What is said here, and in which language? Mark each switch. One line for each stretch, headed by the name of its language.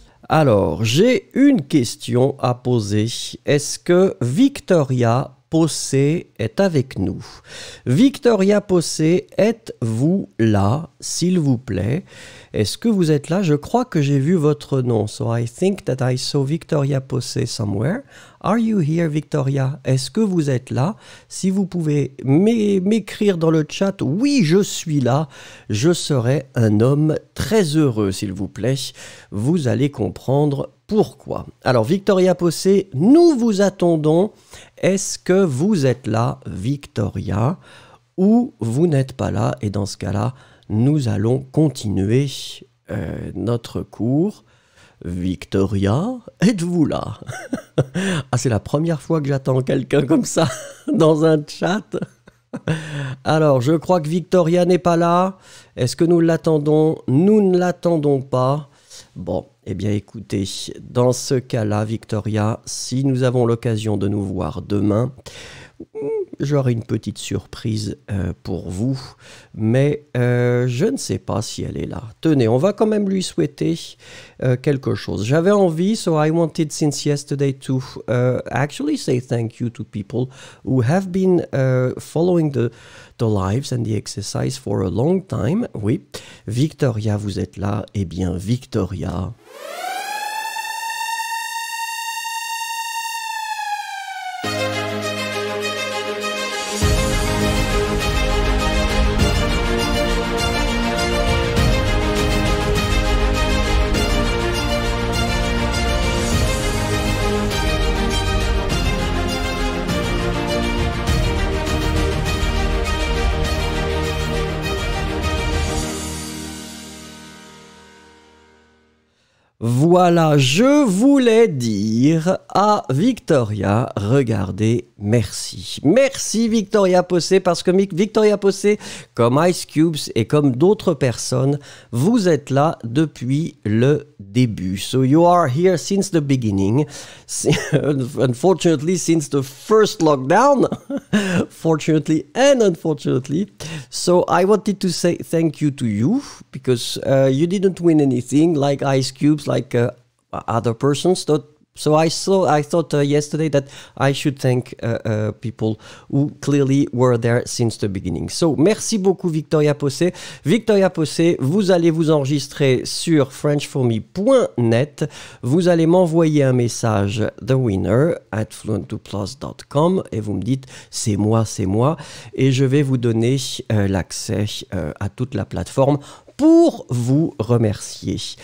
French: Alors, j'ai une question à poser. Est-ce que Victoria Posse est avec nous. Victoria Posse, êtes-vous là, s'il vous plaît? Est-ce que vous êtes là? Je crois que j'ai vu votre nom.
English: So I think that I saw Victoria Posse somewhere. Are you here, Victoria?
French: Est-ce que vous êtes là? Si vous pouvez m'écrire dans le chat, oui, je suis là. Je serai un homme très heureux, s'il vous plaît. Vous allez comprendre pourquoi. Alors, Victoria Posse, nous vous attendons. Est-ce que vous êtes là, Victoria, ou vous n'êtes pas là? Et dans ce cas-là, nous allons continuer notre cours. Victoria, êtes-vous là? Ah, c'est la première fois que j'attends quelqu'un comme ça dans un chat. Alors, je crois que Victoria n'est pas là. Est-ce que nous l'attendons? Nous ne l'attendons pas. Bon, eh bien écoutez, dans ce cas-là, Victoria, si nous avons l'occasion de nous voir demain, j'aurai une petite surprise pour vous, mais je ne sais pas si elle est là. Tenez, on va quand même lui souhaiter quelque chose. J'avais envie,
English: so I wanted since yesterday to actually say thank you to people who have been following the lives and the exercise for a long time.
French: Oui, Victoria, vous êtes là. Eh bien, Victoria... Voilà, je voulais dire à Victoria, regardez, merci. Merci Victoria Posse, parce que Victoria Posse, comme Ice Cubes et comme d'autres personnes, vous êtes là depuis le début.
English: So you are here since the beginning, unfortunately since the first lockdown, fortunately and unfortunately. So I wanted to say thank you to you, because you didn't win anything like Ice Cubes, like other persons. So I thought yesterday that I should thank people who clearly were there since the beginning.
French: So merci beaucoup Victoria Posse. Victoria Posse, vous allez vous enregistrer sur frenchforme.net. Vous allez m'envoyer un message the winner at fluent2plus.com et vous me dites c'est moi et je vais vous donner l'accès à toute la plateforme pour vous remercier.